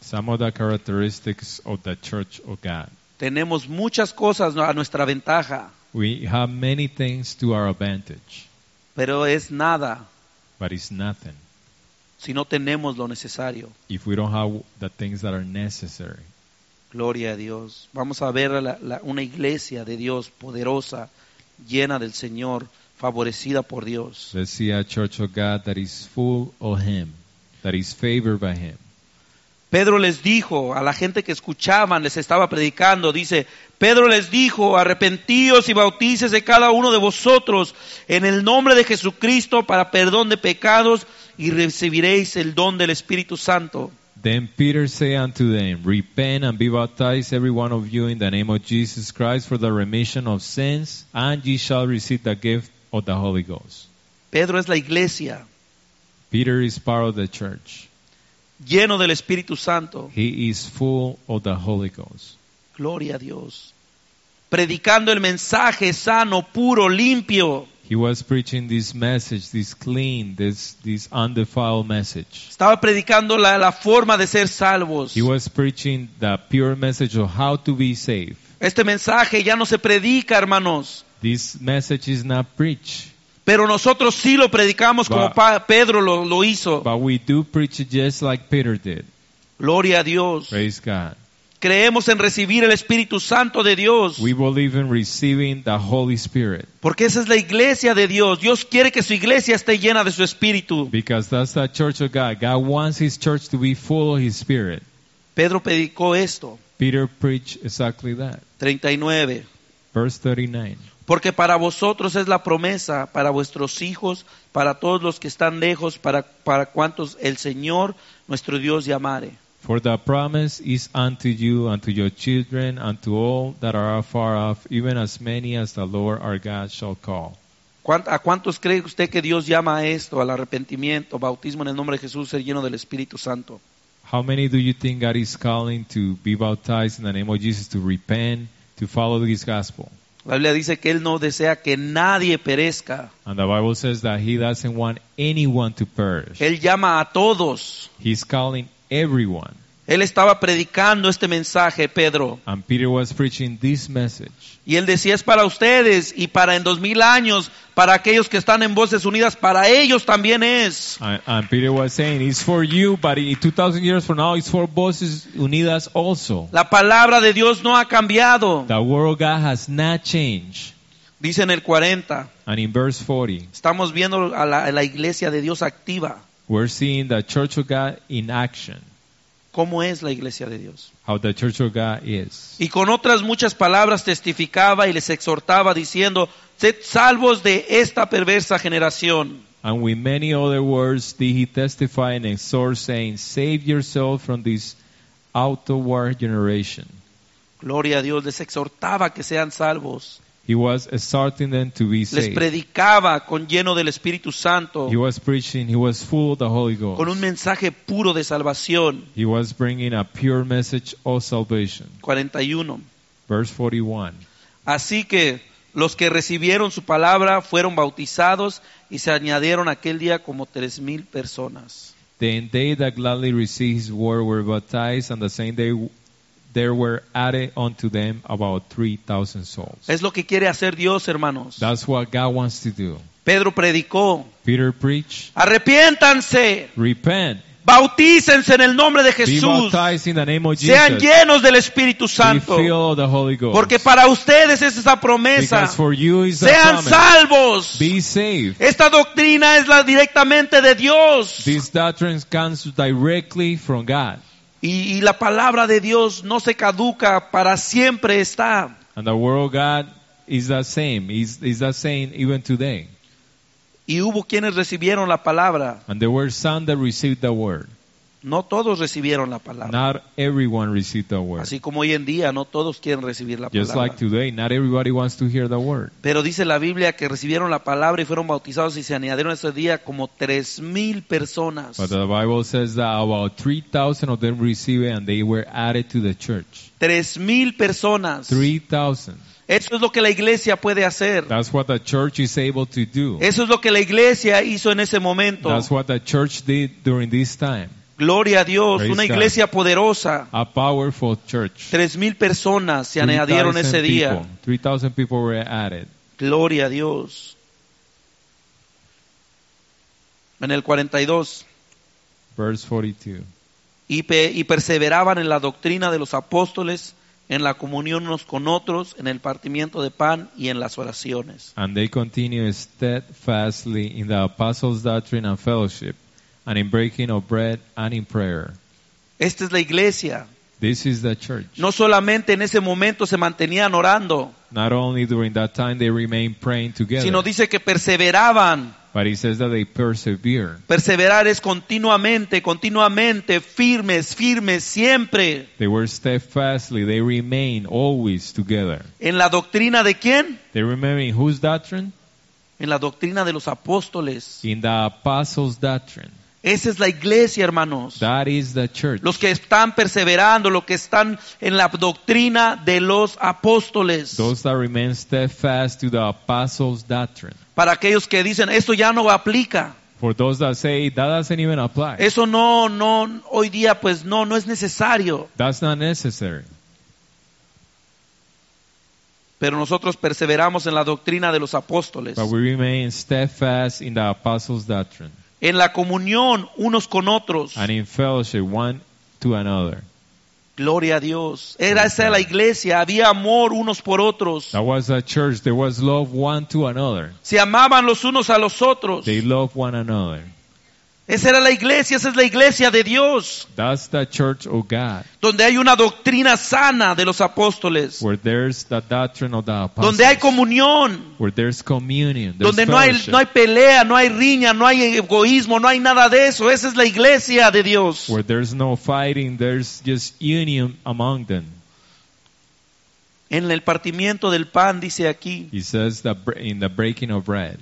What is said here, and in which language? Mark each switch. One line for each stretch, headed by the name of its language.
English: Some of the characteristics of the church of God.
Spanish: Tenemos muchas cosas a nuestra ventaja.
English: We have many things to our advantage.
Spanish: Pero es nada.
English: But it's nothing.
Spanish: Si no tenemos lo necesario.
English: If we don't have the things that are necessary.
Spanish: Gloria a Dios. Vamos a ver una iglesia de Dios poderosa. Llena del Señor, favorecida por Dios.
English: Let's see a church of God that is full of Him, that is favored by Him.
Spanish: Pedro les dijo a la gente que escuchaban, les estaba predicando, dice, Pedro les dijo, arrepentíos y bautícese cada uno de vosotros en el nombre de Jesucristo para perdón de pecados y recibiréis el don del Espíritu Santo.
English: Then Peter said unto them, repent and be baptized every one of you in the name of Jesus Christ for the remission of sins, and ye shall receive the gift of the Holy Ghost.
Spanish: Pedro es la iglesia.
English: Peter is part of the church.
Spanish: Lleno del Espíritu Santo.
English: He is full of the Holy Ghost.
Spanish: Gloria a Dios. Predicando el mensaje sano, puro, limpio.
English: He was preaching this message, this clean, this undefiled message.
Spanish: Estaba predicando la forma de ser salvos.
English: He was preaching the pure message of how to be saved.
Spanish: Este mensaje ya no se predica, hermanos.
English: This message is not preached.
Spanish: Pero nosotros sí lo predicamos como Pedro lo hizo.
English: But we do preach it just like Peter did.
Spanish: Gloria a Dios.
English: Praise God.
Spanish: Creemos en recibir el Espíritu Santo de Dios.
English: We believe in receiving the Holy Spirit.
Spanish: Porque esa es la iglesia de Dios. Dios quiere que su iglesia esté llena de su Espíritu.
English: Because that's the church of God. God wants His church to be full of His Spirit.
Spanish: Pedro predicó esto.
English: Peter preached exactly that.
Spanish: 39.
English: Verse 39.
Spanish: Porque para vosotros es la promesa, para vuestros hijos, para todos los que están lejos, para cuantos el Señor nuestro Dios llamare.
English: For the promise is unto you, unto your children, unto all that are afar off, even as many as the Lord our God shall call.
Spanish: ¿A cuántos cree usted que Dios llama a esto, al arrepentimiento, bautismo en el nombre de Jesús, ser lleno del Espíritu Santo?
English: How many do you think God is calling to be baptized in the name of Jesus, to repent, to follow His gospel?
Spanish: La Biblia dice que Él no desea que nadie perezca.
English: And the Bible says that He doesn't want anyone to perish.
Spanish: Él llama a todos.
English: He's calling everyone.
Spanish: Él estaba predicando este mensaje, Pedro.
English: And Peter was preaching this message.
Spanish: Y él decía, es para ustedes y para en 2000 años, para aquellos que están en Voces Unidas, para ellos también es.
English: And Peter was saying, it's for you, but in 2000 years from now, it's for Voces Unidas also.
Spanish: La palabra de Dios no ha cambiado.
English: The word of God has not changed.
Spanish: Dice en el 40.
English: And in verse 40.
Spanish: Estamos viendo a la iglesia de Dios activa.
English: We're seeing the church of God in action.
Spanish: ¿Cómo es la iglesia de Dios?
English: How the church of God is.
Spanish: Y con otras muchas palabras testificaba y les exhortaba diciendo, sed salvos de esta perversa generación.
English: And with many other words did he testify and exhort, saying, save yourself from this outward generation.
Spanish: Gloria a Dios, les exhortaba que sean salvos.
English: He was exhorting them to be saved.
Spanish: Les predicaba con lleno del Espíritu Santo.
English: He was preaching, he was full of the Holy Ghost.
Spanish: Con un mensaje puro de salvación.
English: He was bringing a pure message of salvation.
Spanish: 41.
English: Verse 41.
Spanish: Así que los que recibieron su palabra fueron bautizados y se añadieron aquel día como 3,000 personas.
English: Then they that gladly received his word were baptized, and the same day there were added unto them about 3,000 souls.
Spanish: Es lo que quiere hacer Dios, hermanos.
English: That's what God wants to do.
Spanish: Pedro predicó.
English: Peter preached.
Spanish: Arrepiéntanse.
English: Repent.
Spanish: Bautícense en el nombre de Jesús.
English: Be baptized in the name of Jesus.
Spanish: Sean llenos del Espíritu Santo.
English: Be filled with the Holy Ghost.
Spanish: Porque para ustedes es esa promesa.
English: Because for you is
Spanish: sean
English: the promise.
Spanish: Salvos.
English: Be saved.
Spanish: Esta doctrina es la directamente de Dios.
English: This doctrine comes directly from God.
Spanish: Y la palabra de Dios no se caduca, para siempre está.
English: And the word of God is the same. Is the same even today.
Spanish: Y hubo quienes recibieron la palabra.
English: And there were some that received the word.
Spanish: No todos recibieron la palabra.
English: Not everyone received the word.
Spanish: Así como hoy en día, no todos quieren recibir la palabra.
English: Just like today, not everybody wants to hear the word.
Spanish: Pero dice la Biblia que recibieron la palabra y fueron bautizados y se añadieron ese día como 3,000 personas.
English: But the Bible says that about 3,000 of them received and they were added to the church.
Spanish: 3,000 personas.
English: 3,000.
Spanish: Eso es lo que la iglesia puede hacer.
English: That's what the church is able to do.
Spanish: Eso es lo que la iglesia hizo en ese momento.
English: That's what the church did during this time.
Spanish: Gloria a Dios,
English: praise
Spanish: una iglesia
English: God.
Spanish: Poderosa.
English: A powerful church.
Spanish: 3,000 personas se añadieron ese día.
English: 3,000 people were added.
Spanish: Gloria a Dios. En el 42.
English: Verse 42.
Spanish: Y perseveraban en la doctrina de los apóstoles, en la comunión unos con otros, en el partimiento de pan y en las oraciones.
English: And they continued steadfastly in the apostles' doctrine and fellowship, and in breaking of bread and in prayer.
Spanish: Esta es la iglesia.
English: This is the church.
Spanish: No solamente en ese momento se mantenían orando.
English: Not only during that time they remained praying together.
Spanish: Sino dice que perseveraban.
English: But he says that they persevere.
Spanish: Perseverar es continuamente, continuamente, firmes, firmes, siempre.
English: They were steadfastly, they remained always together.
Spanish: ¿En la doctrina de quién?
English: They remained in whose doctrine?
Spanish: En la doctrina de los apóstoles.
English: In the apostles' doctrine.
Spanish: Esa es la iglesia, hermanos.
English: That is the church.
Spanish: Los que están perseverando, los que están en la doctrina de los apóstoles.
English: Those that remain steadfast to the apostles' doctrine.
Spanish: Para aquellos que dicen, esto ya no aplica.
English: For those that say, that doesn't even apply.
Spanish: Eso no, no, hoy día, pues no, no es necesario.
English: That's not necessary.
Spanish: Pero nosotros perseveramos en la doctrina de los apóstoles.
English: But we remain steadfast in the apostles' doctrine.
Spanish: En la comunión unos con otros.
English: And in fellowship one to another.
Spanish: Gloria a Dios. Era esa la iglesia. Había amor unos por otros.
English: That was a church. There was love one to another.
Spanish: Se amaban los unos a los otros.
English: They loved one another.
Spanish: Esa era la iglesia. Esa es la iglesia de Dios.
English: That's the church of God.
Spanish: Donde hay una doctrina sana de los apóstoles.
English: Where there's the doctrine of the apostles.
Spanish: Donde hay comunión.
English: Where there's communion. There's
Spanish: donde
English: fellowship.
Spanish: No hay pelea, no hay riña, no hay egoísmo, no hay nada de eso. Esa es la iglesia de Dios.
English: Where there's no fighting, there's just union among them.
Spanish: En el partimiento del pan dice aquí.
English: He says that in the breaking of bread.